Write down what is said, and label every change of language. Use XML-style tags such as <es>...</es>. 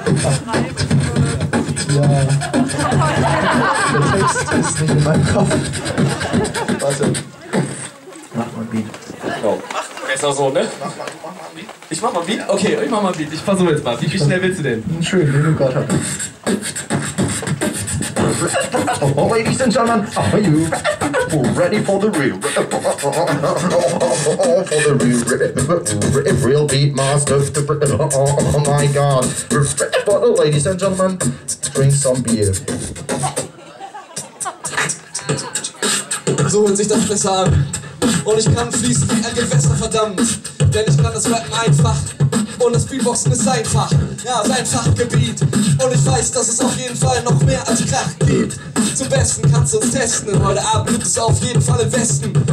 <de>Der Text ist nicht in meinem Kopf. Warte. Mach mal ein Beat. Oh. Ist auch so, ne? Mach mal ein Beat. Okay, ich mach mal ein Beat. Ich versuche jetzt mal. Wie viel schnell willst du denn? Schön, wie du gerade hast.</de> <en>Oh, ladies and gentlemen, how are you? We're ready for the real for the real real beat master. Oh my god. For the ladies and gentlemen, drink some beer.</en> <de>So hört sich das besser an. Und ich kann fließen wie ein Gewässer, verdammt. Denn ich kann das Rappen einfach. Und das Beatboxen ist einfach. Ja, sein Fachgebiet. Und ich weiß, dass es auf jeden Fall noch mehr als Krach gibt. Zum Besten kannst du uns testen. Heute Abend gibt es auf jeden Fall im Westen.</de>